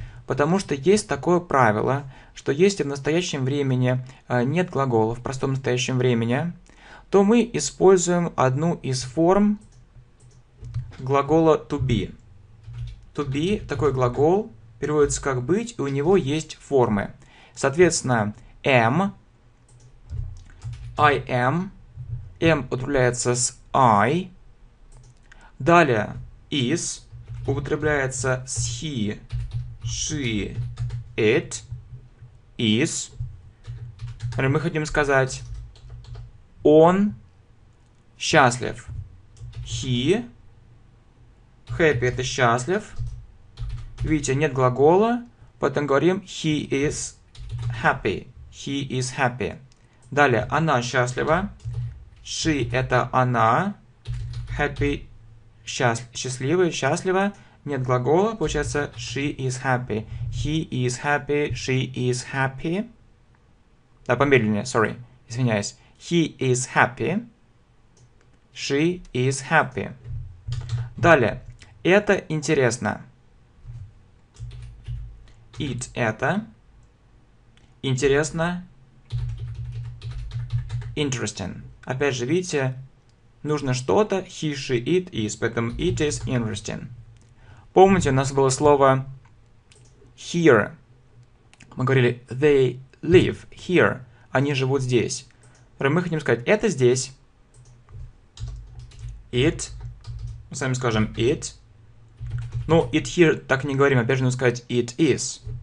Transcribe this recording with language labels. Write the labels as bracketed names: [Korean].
[Russian] Потому что есть такое правило, что если в настоящем времени нет глагола в простом настоящем времени, то мы используем одну из форм глагола to be. To be – такой глагол, переводится как «быть», и у него есть формы. Соответственно, am, [English] I am, [Russian] am употребляется с I, далее is употребляется с he, she, it, is. Мы хотим сказать «он счастлив», he, happy – это «счастлив». Видите, нет глагола, поэтому говорим [English] he is happy. He is happy. [Russian] Далее, она счастлива. She – это она. Happy счастливая, счастлива. Нет глагола, получается [English] she is happy. He is happy, she is happy. [Russian] Да, помедленнее, [English] sorry, [Russian] извиняюсь. [English] He is happy. She is happy. [Russian] Далее, это интересно. It – это интересно, interesting. Опять же, видите, нужно что-то, he, she, it is, поэтому [English] it is interesting. [Russian] Помните, у нас было слово here. Мы говорили [English] they live here, [Russian] они живут здесь. Мы хотим сказать это здесь. It, мы сами скажем it. Ну, it here так не говорим, опять же, нужно сказать [English] it is.